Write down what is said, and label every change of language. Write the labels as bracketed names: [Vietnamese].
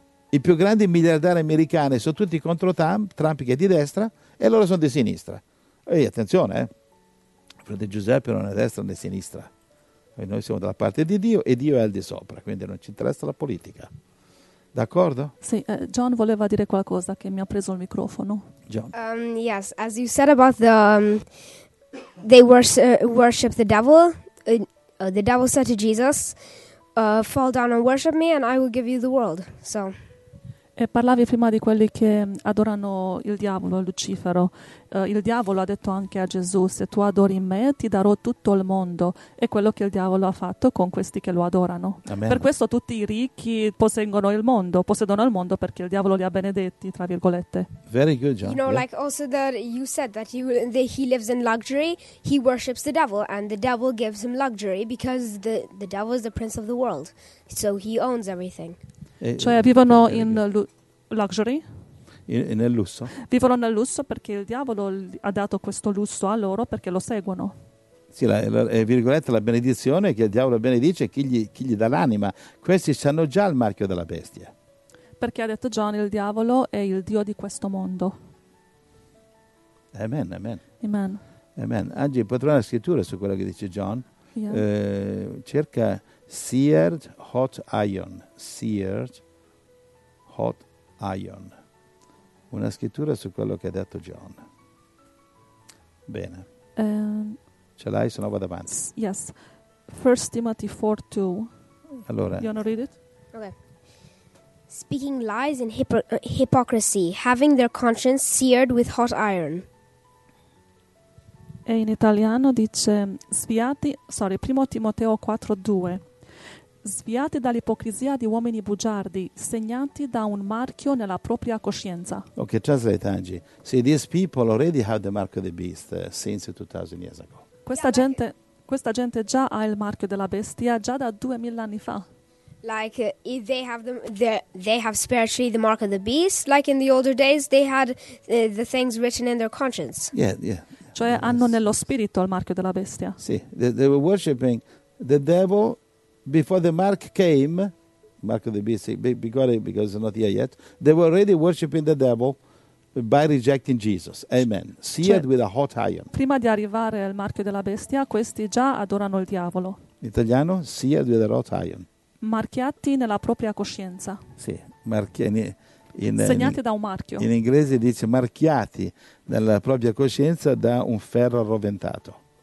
[Italian] I più grandi miliardari americani sono tutti contro Trump, che è di destra, e loro sono di sinistra. E attenzione, frate Giuseppe non è destra né sinistra. Noi siamo dalla parte di Dio e Dio è al di sopra, quindi non ci interessa la politica. D'accordo? Sì, John voleva dire qualcosa che mi ha preso il microfono. John. [English] Yes, as you said about the they worship the devil. The devil said to Jesus, "Fall down and worship me and I will give you the world." So. [Italian] E parlavi prima di quelli che adorano il diavolo, Lucifero. Il diavolo ha detto anche a Gesù: se tu adori me, ti darò tutto il mondo. È quello che il diavolo ha fatto con questi che lo adorano. Amen. Per questo tutti i ricchi possiedono il mondo, perché il diavolo li ha benedetti, tra virgolette. [English] Very good, John. You know, yeah. Like also that you said that he lives in luxury, he worships the devil, and the devil gives him luxury because the devil is the prince of the world, so he owns everything. [Italian] Cioè vivono in luxury, nel lusso. Vivono nel lusso perché il diavolo ha dato questo lusso a loro perché lo seguono. Sì, la benedizione che il diavolo benedice è chi gli dà l'anima. Questi hanno già il marchio della bestia. Perché ha detto John, il diavolo è il dio di questo mondo. Amen, amen. Amen. Amen. Angie, potrò una scrittura su quello che dice John? [English] Yeah. [Italian] Cerca Seared Hot Iron. Seared Hot Iron. Una scrittura su quello che ha detto John. Bene. Ce l'hai, se no vado avanti. [English] Yes. 1 Timothy 4:2. [Italian] Allora. [English] You want to read it? Okay. Speaking lies and hypocrisy, having their conscience seared with hot iron. [Italian] E in italiano dice Primo Timoteo 4:2. Sviati dall'ipocrisia di uomini bugiardi, segnati da un marchio nella propria coscienza. [English] Ok, translate, Angie. See, these people already have the mark of the beast since 2000 years ago. [Italian] Questa gente già ha il marchio della bestia già da 2000 anni fa. [English] Like if they have spiritually the mark of the beast, like in the older days they had the things written in their conscience. Yeah. [Italian] Cioè hanno nello spirito il marchio della bestia. [English] Sì, they were worshiping the devil before the mark came. Mark of the beast, because it's not here yet. They were already worshiping the devil by rejecting Jesus. Amen. Seared with a hot iron. [Italian] Prima di arrivare al marchio della bestia, questi già adorano il diavolo. [English] In italiano, seared with a hot iron. [Italian] Marchiati nella propria coscienza. Sì, marchiati. Segnati da un marchio. In inglese dice marchiati nella propria coscienza da un ferro arroventato.